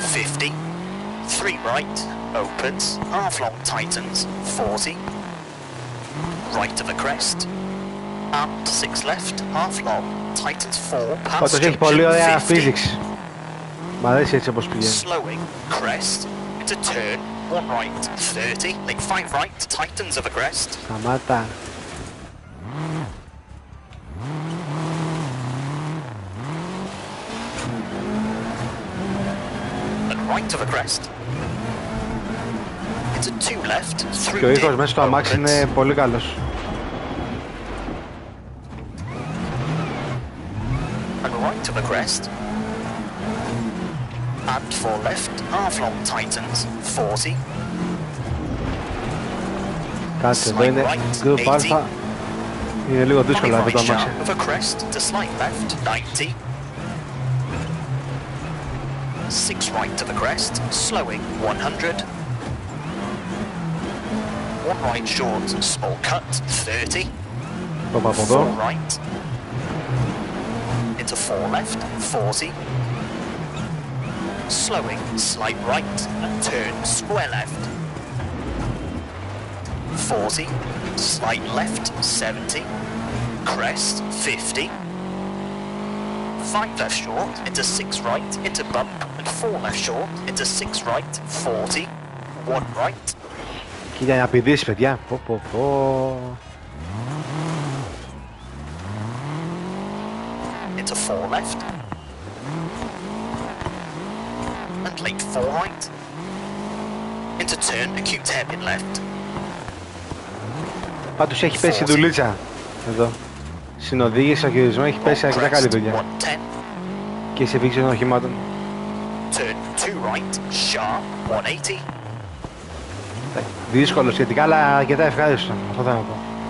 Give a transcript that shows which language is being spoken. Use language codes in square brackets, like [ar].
[en] 50, 3 right, opens, half long tightens, 40, right of a crest, up 6 left, half long. [el] Πάντως έχει πολύ ωραία physics. Μ' αρέσει έτσι όπως πηγαίνει. [en] Slowing, crest, to turn, one right, 30, like five right, tightens of a crest. [el] Σταμάτα. [en] And right of a crest. It's a two left, three. [el] Και ο ήχος μέσα στο αμάξι είναι πολύ καλός. [en] To the crest and for left half long titans 40 [el] κάτσε εδώ είναι group alpha είναι λίγο δύσκολο αυτό το αμάξι [en] of a crest to slight left 90 6 right to the crest slowing 100 1 right short small cut 30 [el] πάμε από εδώ [en] right to 4 left, 40, slowing, slight right, and turn, square left, 40, slight left, 70, crest, 50, 5 left short, into 6 right, into bump, and 4 left short, into 6 right, 40, 1 right. [el] Κοίτα να πηδείς, παιδιά. Πω, πω, πω. [en] To 4 left and late 4 right into turn acute hairpin left. [el] Πάντως έχει πέσει η δουλίτσα εδώ. Συνοδήγηση στο χειρισμό έχει πέσει αρκετά καλή δουλειά. Και σε βήξη των οχημάτων. [en] Turn 2 right, sharp 180. [el] Δύσκολο σχετικά, αλλά αρκετά ευχάριστο. Αυτό θα πω.